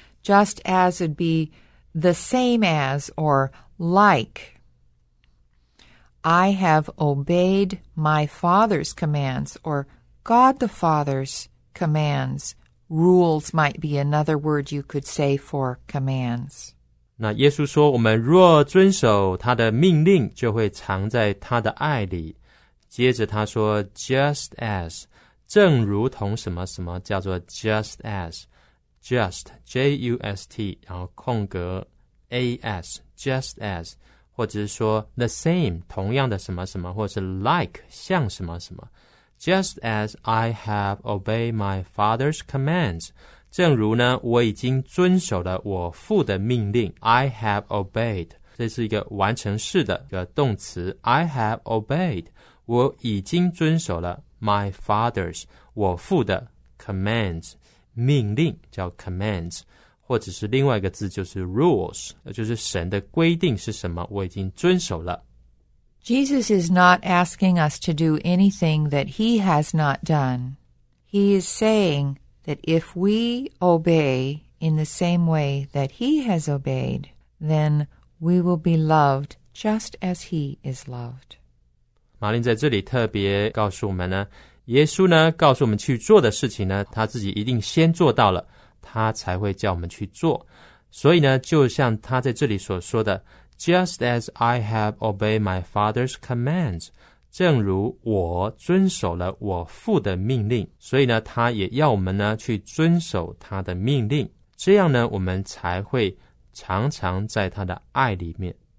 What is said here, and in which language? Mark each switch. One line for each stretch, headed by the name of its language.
English: Just as would be the same as or like, I have obeyed my Father's commands, or God the Father's commands. Rules might be another word you could say for commands.
Chinese: 那耶稣说，我们若遵守他的命令，就会藏在他的爱里。接着他说 ，
English: just as，
Chinese: 正如同什么什么叫做 just as， just J-U-S-T， 然后空格 A-S。
English: Just as,
Chinese: 或者是说
English: the same,
Chinese: 同样的什么什么，或者是 like, 像什么什么。
English: Just as I have obeyed my father's commands,
Chinese: 正如呢，我已经遵守了我父的命令。
English: I have obeyed,
Chinese: 这是一个完成式的一个动词。
English: I have obeyed,
Chinese: 我已经遵守了
English: my father's,
Chinese: 我父的 commands, 命令叫 commands。或者是另外一个字就是 rules， 就是神的规定是什么，我已经遵守了。
English: Jesus is not asking us to do anything that he has not done. He is saying that if we obey in the same way that he has obeyed, then we will be loved just as he is loved.
Chinese: 马林在这里特别告诉我们呢，耶稣呢告诉我们去做的事情呢，他自己一定先做到了。他才会叫我们去做，所以呢，就像他在这里所说的 ，
English: Just as I have obeyed my father's commands，
Chinese: 正如我遵守了我父的命令，所以呢，他也要我们呢去遵守他的命令，这样呢，我们才会常常在他的爱里面。